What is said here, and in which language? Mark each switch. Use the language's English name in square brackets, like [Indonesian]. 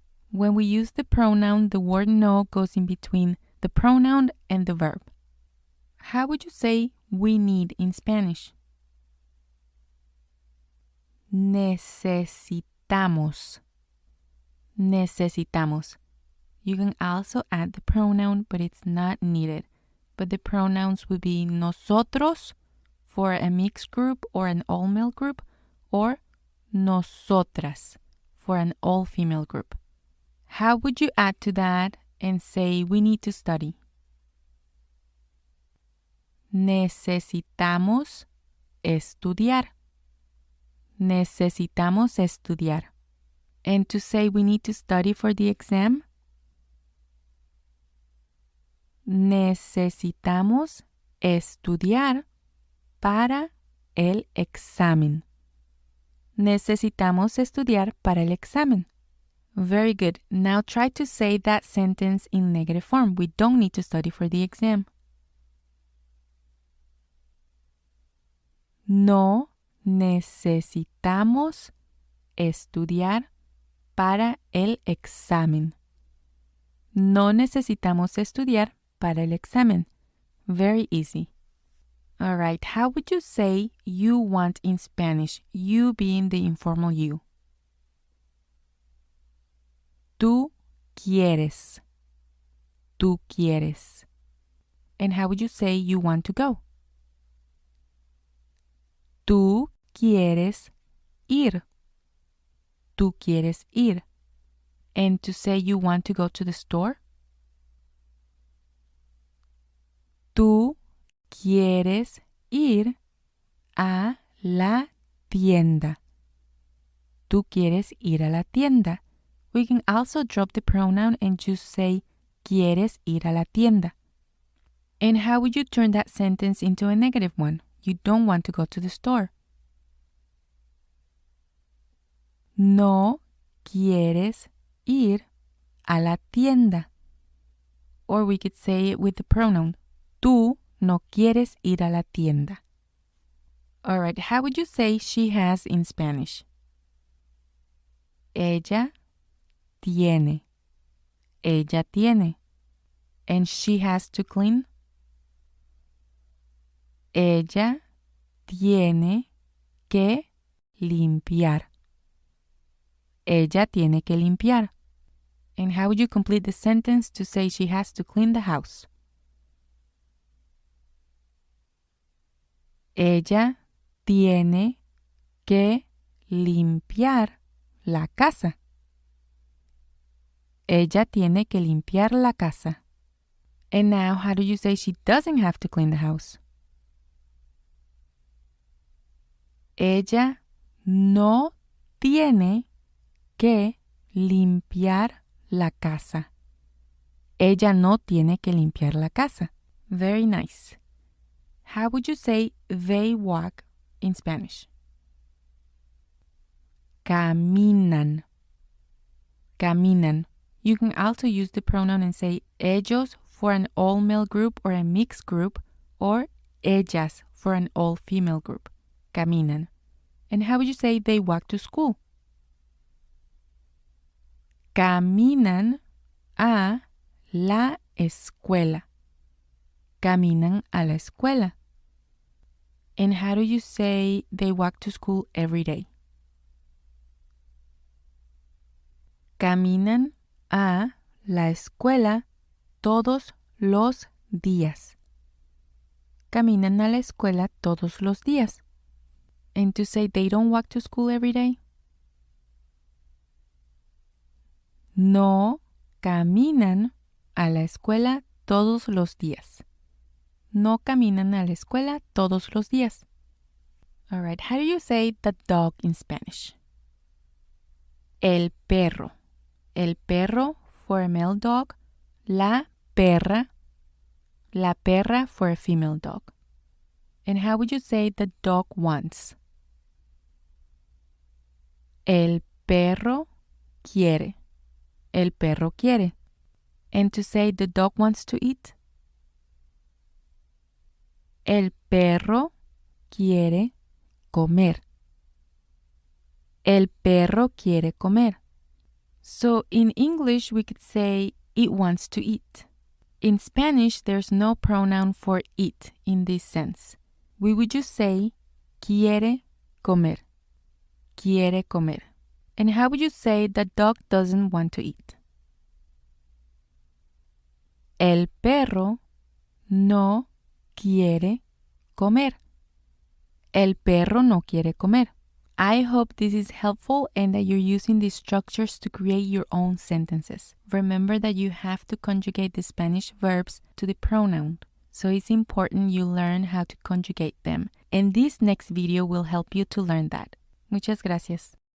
[English] When we use the pronoun, the word no goes in between the pronoun and the verb. How would you say we need in Spanish? [Spanish] Necesitamos. Necesitamos. [English] You can also add the pronoun, but it's not needed. But the pronouns would be nosotros for a mixed group or an all-male group, or nosotras for an all-female group. How would you add to that and say we need to study? [Spanish] Necesitamos estudiar. Necesitamos estudiar. [English] And to say we need to study for the exam? [Spanish] Necesitamos estudiar para el examen. Necesitamos estudiar para el examen. [English] Very good. Now try to say that sentence in negative form. We don't need to study for the exam. [Spanish] No necesitamos estudiar para el examen. No necesitamos estudiar para el examen. [English] Very easy. All right, how would you say you want in Spanish, you being the informal you? [Spanish] Tú quieres. Tú quieres. [English] And how would you say you want to go? [Spanish] Tú quieres ir. Tú quieres ir. [English] And to say you want to go to the store? [Spanish] Tú quieres ir a la tienda. Tú quieres ir a la tienda. [English] We can also drop the pronoun and just say [Spanish] quieres ir a la tienda. [English] And how would you turn that sentence into a negative one? You don't want to go to the store. [Spanish] No quieres ir a la tienda. [English] Or we could say it with the pronoun. [Spanish] Tú no quieres ir a la tienda. [English] All right, how would you say she has in Spanish? [Spanish] Ella tiene. Ella tiene. [English] And she has to clean? [Spanish] Ella tiene que limpiar. Ella tiene que limpiar. [English] And how would you complete the sentence to say she has to clean the house? [Spanish] Ella tiene que limpiar la casa. Ella tiene que limpiar la casa. [English] And now, how do you say she doesn't have to clean the house? [Spanish] Ella no tiene que limpiar la casa. Ella no tiene que limpiar la casa. [English] Very nice. How would you say they walk in Spanish? [Spanish] Caminan. Caminan. [English] You can also use the pronoun and say ellos for an all-male group or a mixed group, or ellas for an all-female group. [Spanish] Caminan. [English] And how would you say they walk to school? [Spanish] Caminan a la escuela. Caminan a la escuela. [English] And how do you say they walk to school every day? [Spanish] Caminan a la escuela todos los días. Caminan a la escuela todos los días. [English] And to say they don't walk to school every day? [Spanish] No caminan a la escuela todos los días. No caminan a la escuela todos los días. [English] All right, how do you say the dog in Spanish? [Spanish] El perro. El perro [English] for a male dog. [Spanish] La perra. La perra [English] for a female dog. And how would you say the dog wants? [Spanish] El perro quiere. El perro quiere. [English] And to say the dog wants to eat? [Spanish] El perro quiere comer. El perro quiere comer. [English] So in English, we could say it wants to eat. In Spanish, there's no pronoun for it in this sense. We would just say, [Spanish] quiere comer. Quiere comer. [English] And how would you say the dog doesn't want to eat? [Spanish] El perro no quiere comer. El perro no quiere comer. [English] I hope this is helpful and that you're using these structures to create your own sentences. Remember that you have to conjugate the Spanish verbs to the pronoun, so it's important you learn how to conjugate them. And this next video will help you to learn that. [Spanish] Muchas gracias.